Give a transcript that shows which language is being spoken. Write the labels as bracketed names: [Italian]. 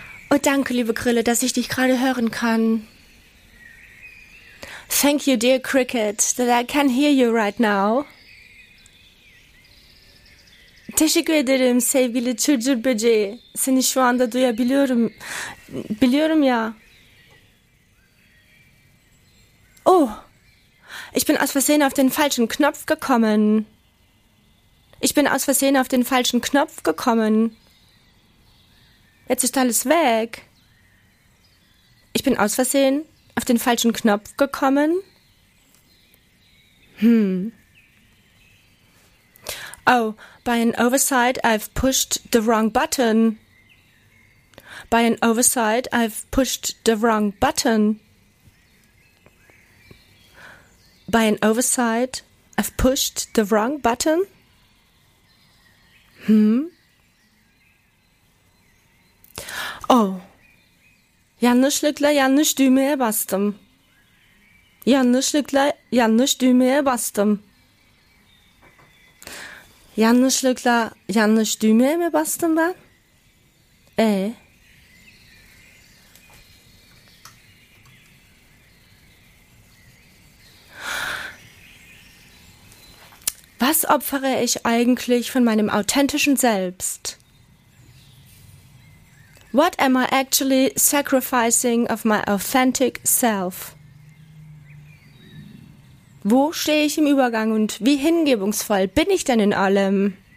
[German] Oh, danke, liebe Grille, dass ich dich gerade hören kann. [English] Thank you, dear Cricket, that I can hear you right now. [Turkish] Teşekkür ederim, sevgili çırcır böceği. Seni şu anda duyabiliyorum. Biliyorum ya. [German] Oh, ich bin aus Versehen auf den falschen Knopf gekommen. Ich bin aus Versehen auf den falschen Knopf gekommen. Jetzt ist alles weg. Ich bin aus Versehen auf den falschen Knopf gekommen. [English] Oh, by an oversight I've pushed the wrong button. By an oversight I've pushed the wrong button. By an oversight, I've pushed the wrong button? Oh. [Turkish] Yanlışlıkla yanlış düğmeye bastım. Yanlışlıkla yanlış düğmeye bastım. Yanlışlıkla yanlış düğmeye mi bastım ben? [German] Was opfere ich eigentlich von meinem authentischen Selbst? [English] What am I actually sacrificing of my authentic self? [German] Wo stehe ich im Übergang und wie hingebungsvoll bin ich denn in allem?